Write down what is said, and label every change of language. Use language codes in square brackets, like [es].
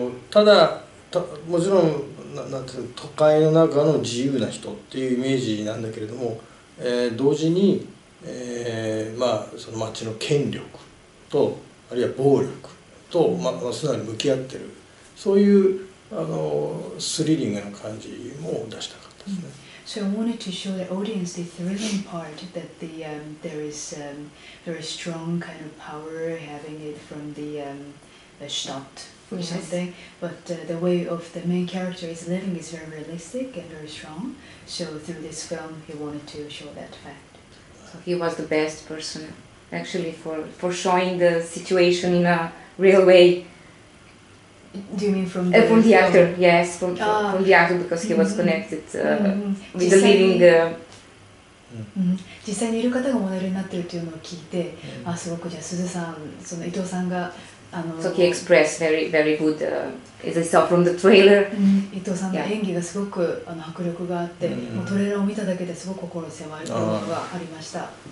[ja] ただもちろんなんていうの都会の中の自由な人っていうイメージなんだけれども、同時に、まあその街の権力とあるいは暴力とまあ素直に向き合ってるそういうスリリングな感じも出したかったですね。 [en] So I wanted to show the audience the thrilling part that the, there is a very strong kind of power having it from the, the Stadt or something. But the way of the main character is living is very realistic and very strong. So through this film, he wanted to show that fact. So he was the best person actually for showing the situation in a real way. Do you mean from the, from the actor? Yes, from the actor because he was connected with the living. [ja] 実際にいる方がモデルになっているというのを聞いて、あすごくじゃあ鈴さん、その伊藤さんが [en] So he expressed very, very good. As I saw from the trailer. [ja] 伊藤さんの演技がすごく迫力があって、もうトレーラーを見ただけですごく心強いというのがありました。